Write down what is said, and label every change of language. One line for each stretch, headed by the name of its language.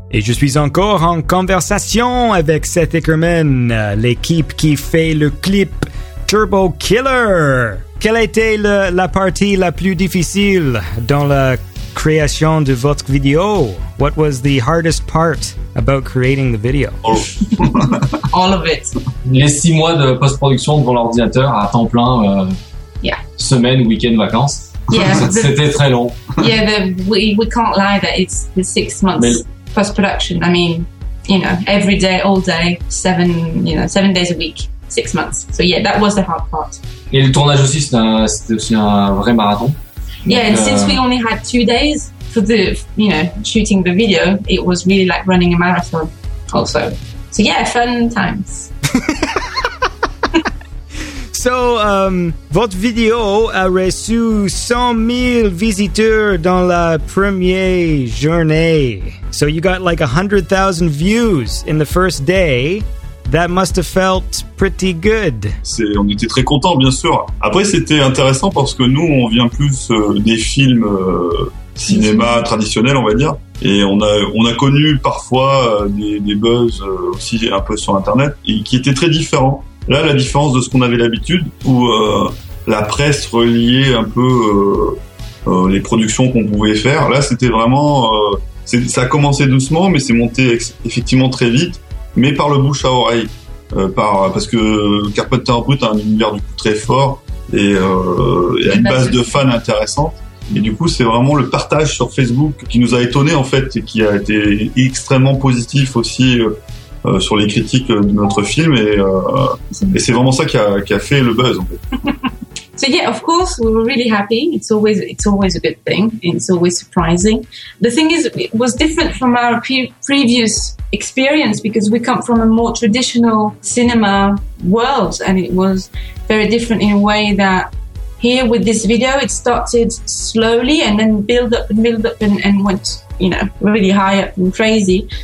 French: Et je suis encore en conversation avec Seth Ackerman, l'équipe qui fait le clip Turbo Killer. Quelle a été la partie la plus difficile dans la création de votre vidéo?
English: What was the hardest part about creating the video? Oh. All of it.
French: Les 6 mois de post-production devant l'ordinateur à temps plein, semaine, week-end, vacances.
English: Yeah,
French: c'était très long.
English: Yeah, we can't lie that it's the 6 months post-production. I mean, you know, every day, all day, seven days a week, 6 months. So yeah, that was the hard part.
French: Et le tournage aussi, c'était aussi un vrai marathon.
English: Yeah, and since we only had 2 days for the, you know, shooting the video, it was really like running a marathon also. So yeah, fun times.
French: So, votre vidéo a reçu 100 000 visiteurs dans la première journée.
English: So you got like 100,000 views in the first day. That must have felt pretty good.
French: On était très contents, bien sûr. Après, c'était intéressant parce que nous, on vient plus des films cinéma traditionnels, on va dire. Et on a connu parfois des buzz aussi un peu sur Internet et qui étaient très différents. Là, la différence de ce qu'on avait l'habitude, où la presse reliait un peu les productions qu'on pouvait faire, là, c'était vraiment... ça a commencé doucement, mais c'est monté effectivement très vite, mais par le bouche à oreille. Parce que Carpenter Brut a un univers du coup très fort et a une base de fans intéressante. Et du coup, c'est vraiment le partage sur Facebook qui nous a étonnés, en fait, et qui a été extrêmement positif aussi... sur les critiques de notre film et c'est vraiment ça qui a fait le buzz en fait.
English: So yeah, of course, we were really happy. It's always a good thing. It's always surprising. The thing is, it was different from our previous experience because we come from a more traditional cinema world and it was very different in a way that here with this video, it started slowly and then build up and went, you know, really high up and crazy.